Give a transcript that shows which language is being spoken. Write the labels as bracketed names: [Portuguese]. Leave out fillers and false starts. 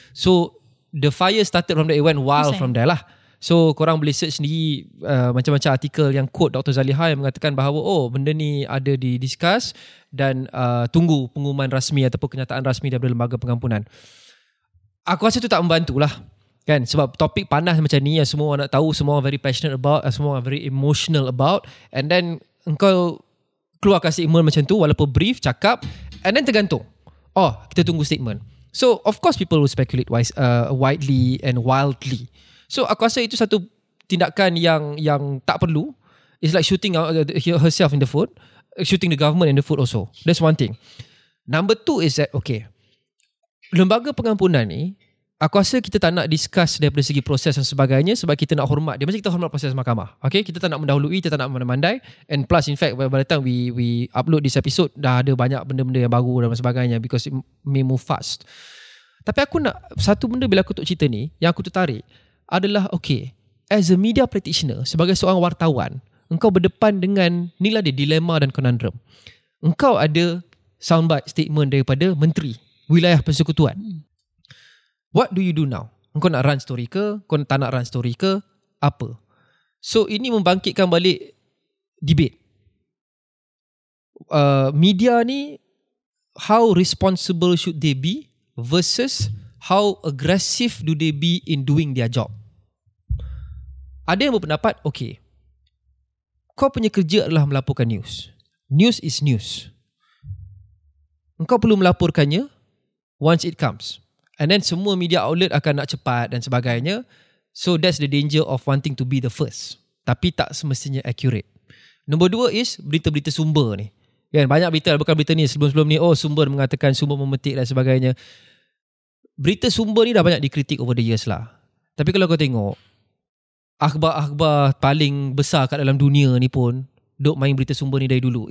[English] So, the fire started from there, it went wild from there lah. [Malay] So korang boleh search sendiri macam-macam artikel yang quote Dr. Zaliha yang mengatakan bahawa benda ni ada di discuss dan tunggu pengumuman rasmi ataupun kenyataan rasmi daripada Lembaga Pengampunan. Aku rasa tu tak membantulah kan, sebab topik panas macam ni yang semua orang nak tahu, semua orang [English] very passionate about, [Malay] semua orang [English] very emotional about, and then [Malay] engkau keluarkan statement macam tu walaupun brief cakap and then tergantung. Kita tunggu statement. [English] So of course people will speculate widely and wildly. [Malay] So aku rasa itu satu tindakan yang tak perlu. [English] It's like shooting herself in the foot, shooting the government in the foot also. That's one thing. Number two is that, okay, [Malay] Lembaga Pengampunan ni, aku rasa kita tak nak discuss daripada segi proses dan sebagainya sebab kita nak hormat. Dia mesti kita hormat proses mahkamah. Okay, kita tak nak mendahului, kita tak nak memandai. [English] And plus, in fact, by the time we upload this episode, [Malay] dah ada banyak benda-benda yang baru dan sebagainya [English] because it may move fast. [Malay] Tapi aku nak, satu benda bila aku tuk cerita ni, yang aku tertarik, adalah okay, [English] as a media practitioner, [Malay] sebagai seorang wartawan, engkau berdepan dengan nilai dia dilema dan conundrum. Engkau ada soundbite statement daripada Menteri Wilayah Persekutuan. [English] What do you do now? [Malay] Kau nak run story ke? Kau tak nak run story ke? Apa? So ini membangkitkan balik debate. Media ni, [English] how responsible should they be versus how aggressive do they be in doing their job? [Malay] Ada yang berpendapat, okay, kau punya kerja adalah melaporkan news. [English] News is news. [Malay] Kau perlu melaporkannya [English] once it comes. And then [Malay] semua media outlet akan nak cepat dan sebagainya. [English] So that's the danger of wanting to be the first. [Malay] Tapi tak semestinya accurate. Nombor dua is berita-berita sumber ni. Kan, banyak berita, bukan berita ni, sebelum-sebelum ni, oh sumber mengatakan, sumber memetik dan sebagainya. Berita sumber ni dah banyak dikritik [English] over the years [Malay] lah. Tapi kalau kau tengok, akhbar-akhbar paling besar kat dalam dunia ni pun duk main berita sumber ni dari dulu.